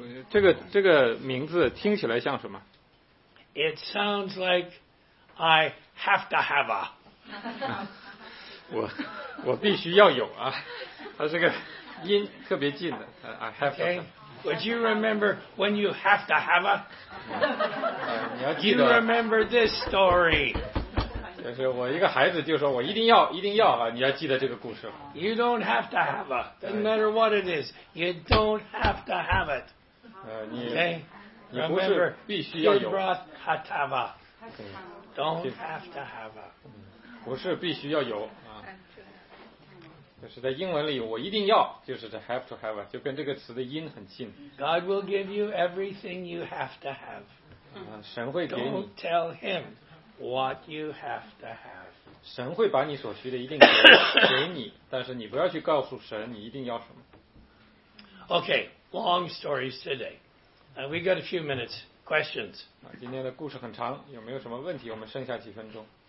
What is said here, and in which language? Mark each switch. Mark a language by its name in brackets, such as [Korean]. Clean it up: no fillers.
[Chinese] 这个名字听起来像什么？ [English] It sounds like I have to have a. [Chinese] 我必须要有啊，它这个音特别近的。 [English] I have to. Okay. Would you remember when you have to have a? [Chinese] 你要记得。 [English] You remember this story? [Chinese] 就是我一个孩子就说我一定要啊，你要记得这个故事。 [English] You don't have to have a. Doesn't matter what it is. You don't have to have it. [Chinese] 你 [English] okay. [Chinese] 你不是必须要有。 [English] Kibroth Hattaava. Okay. Don't have to have a. [Chinese] 不是必须要有。就是在英文里我一定要就是 [English] to have to have [Chinese] 就跟这个词的音很近 [English] God will give you everything you have to have [Chinese] 神会给你 [English] Don't tell him what you have to have [Chinese] 神会把你所需的一定给你但是你不要去告诉神你一定要什么 [English] OK long stories today we got a few minutes questions [Chinese] 今天的故事很长有没有什么问题我们剩下几分钟